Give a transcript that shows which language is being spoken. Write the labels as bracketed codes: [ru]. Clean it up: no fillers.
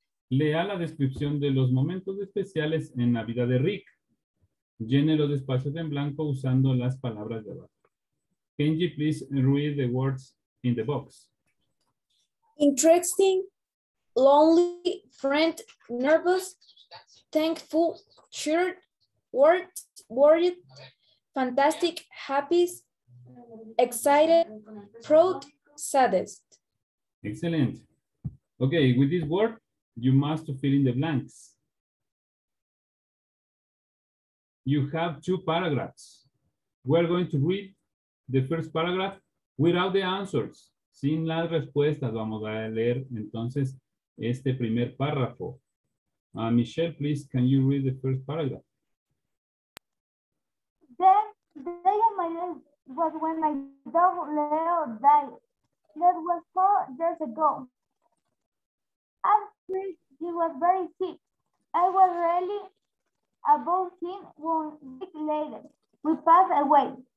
[es] Lea la descripción de los momentos especiales en la vida de Rick. Llene los espacios en blanco usando las palabras de abajo. [en] Kenji, please read the words in the box. Interesting, lonely, friend, nervous, thankful, shirt, worried, fantastic, happy, excited, proud, saddest. Excellent. Okay, with this word, you must fill in the blanks. You have two paragraphs. We're going to read the first paragraph without the answers. [es] Sin las respuestas, vamos a leer entonces este primer párrafo. [en] Michelle, please, can you read the first paragraph? Then the day of my life was when my dog Leo died. That was 4 years ago. After he was very sick, I was really above him 1 week later. We passed away.